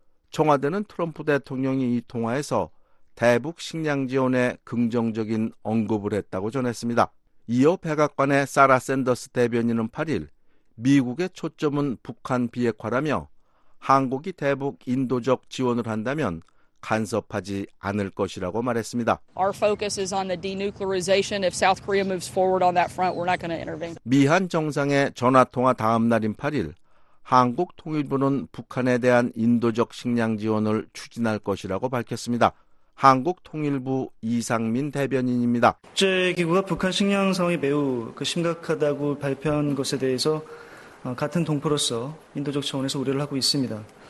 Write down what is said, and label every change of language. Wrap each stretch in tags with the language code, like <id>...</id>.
<ko>청와대는 트럼프 대통령이 이 통화에서 대북 식량 지원에 긍정적인 언급을 했다고 전했습니다. 이어 백악관의 사라 샌더스 대변인은 8일 미국의 초점은 북한 비핵화라며 한국이 대북 인도적 지원을 한다면 간섭하지 않을 것이라고 말했습니다.</ko> <en>Our focus is on the denuclearization. If South Korea moves forward on that front, we're not going to intervene.</en> <ko>미한 정상의 전화 통화 다음 날인 8일 한국 통일부는 북한에 대한 인도적 식량 지원을 추진할 것이라고 밝혔습니다. 한국 통일부 이상민 대변인입니다. 국제기구가 북한 식량 상황이 매우 심각하다고 발표한 것에 대해서 같은 동포로서 인도적 차원에서 우려를 하고 있습니다.</ko>